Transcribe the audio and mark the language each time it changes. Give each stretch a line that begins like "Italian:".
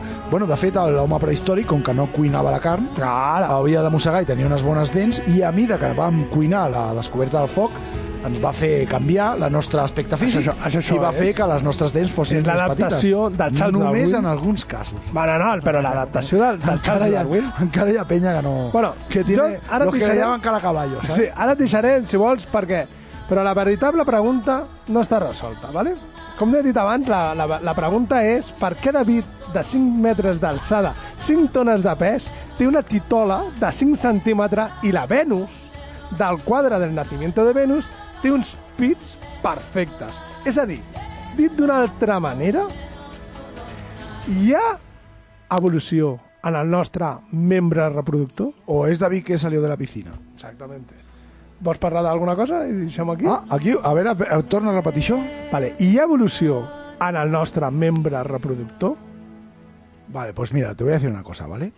Catalan: Bueno, de fet, l'home prehistòric, com que no cuinava la carn, havia de mossegar i tenia unes bones dents, i a mesura que vam cuinar la descoberta del foc, ens va fer canviar el nostre aspecte físic això va fer que les nostres dents fossin més petites. Del Charles Només Darwin. En alguns casos. No, però l'adaptació del Charles Darwin... Encara hi ha penya que no... Bueno,
Spanish: que tiene ara lo que se llaman cara caballo.
Catalan: Sí, ara et deixarem, si vols, perquè... Però la veritable pregunta no està resolta, ¿vale? Com he dit abans, la pregunta és per què David, de 5 metres d'alçada, 5 tones de pes, té una titola de 5 centímetres i la Venus, del quadre del Nacimiento de Venus, té uns pits perfectes. És a dir, dit d'una altra manera, hi ha evolució en el nostre membre reproductor?
Spanish: O és David que salió de la piscina?
Catalan: Exactamente. Vols parlar d'alguna cosa i deixem aquí? Ah, aquí, a veure, torna a repetir això. Vale, hi ha evolució en el nostre membre reproductor?
Spanish: Vale, pues mira, te voy a decir una cosa, ¿vale?